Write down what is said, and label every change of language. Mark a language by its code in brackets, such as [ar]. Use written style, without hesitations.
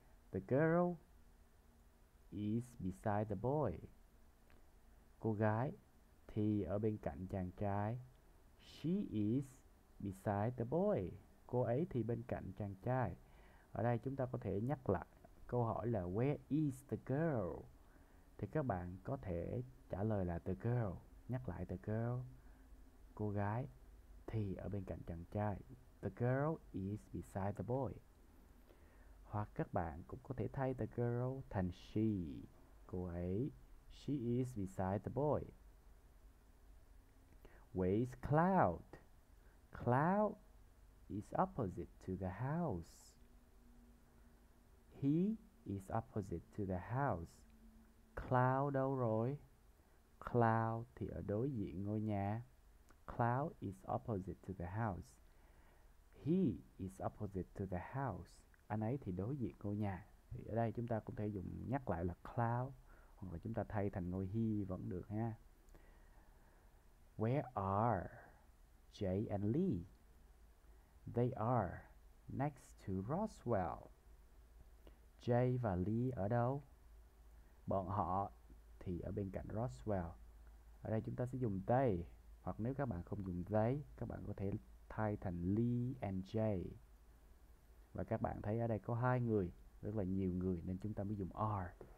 [en] The girl is beside the boy. [vi] Cô gái thì ở bên cạnh chàng trai. [en] She is beside the boy. [vi] Cô ấy thì bên cạnh chàng trai. Ở đây chúng ta có thể nhắc lại câu hỏi là [en] where is the girl? [vi] Thì các bạn có thể trả lời là the girl. Nhắc lại the girl. Cô gái thì ở bên cạnh chàng trai. [en] The girl is beside the boy. [vi] Hoặc các bạn cũng có thể thay the girl thành she. Cô ấy. [en] She is beside the boy. Where is cloud? Cloud is opposite to the house. He is opposite to the house. [vi] Cloud đâu rồi? Cloud thì ở đối diện ngôi nhà. [en] Cloud is opposite to the house. He is opposite to the house. [vi] Anh ấy thì đối diện ngôi nhà. Thì ở đây chúng ta cũng thể dùng nhắc lại là cloud hoặc là chúng ta thay thành ngôi he vẫn được ha. [en] Where are Jay and Lee? They are next to Roswell. [vi] Jay và Lee ở đâu? Bọn họ thì ở bên cạnh Roswell. Ở đây chúng ta sẽ dùng they, hoặc nếu các bạn không dùng they, các bạn có thể thay thành Lee and Jay. Và các bạn thấy ở đây có hai người, rất là nhiều người nên chúng ta mới dùng are.